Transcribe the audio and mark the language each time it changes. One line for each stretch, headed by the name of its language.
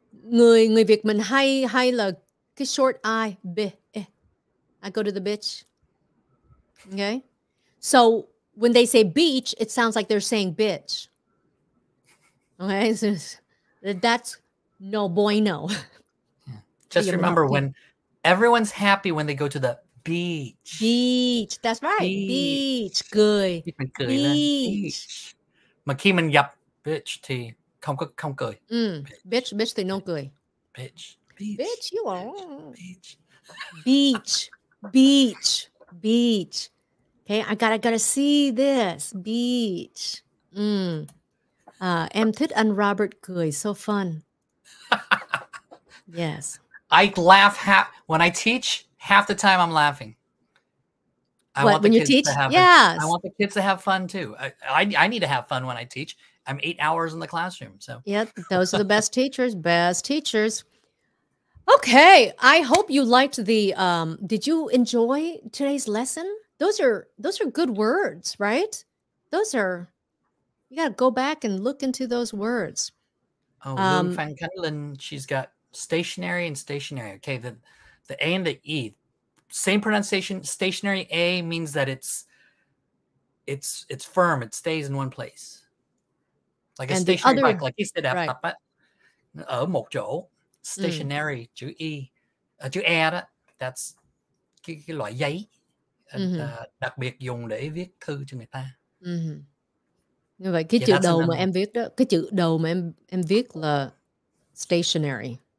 Vietnamese: Người Việt mình hay là cái
English: short I, I go to the beach. Okay. So when they say beach, it sounds like they're saying bitch. Okay. So that's no bueno. Just remember when everyone's happy when they go to the beach. Beach. That's right. Beach. Cười. Beach.
Vietnamese: Mà khi mình gặp bitch thì không cười. Bitch. Bitch thì không cười.
English: Bitch. Bitch, you are. Beach. Beach. Beach. Beach. Okay, I gotta see this. Beach.
Vietnamese: Em thích anh Robert cười.
English: So fun. Yes. I laugh half. When I teach, half the time I'm laughing. Yes. I want the kids to have fun too. I need to have fun when I teach. I'm 8 hours in the classroom. So. Yep, those are the best teachers. Best teachers. Okay, I hope you liked the, did you enjoy today's lesson? Those are good words, right? You got to go back and look into those words. Oh, Fan Kalin, she's got stationary and stationary. Okay, the A and the E, same pronunciation. Stationary A means that it's firm. It stays in one place. Like a and stationary other, bike, like he said, right.
Vietnamese: Ở một chỗ. Stationary, chữ y, chữ e đó,
English: that's
Vietnamese: cái loại giấy đặc biệt dùng để viết thư cho người ta. Như vậy, cái chữ đầu mà em viết đó, cái chữ đầu mà em viết là stationary.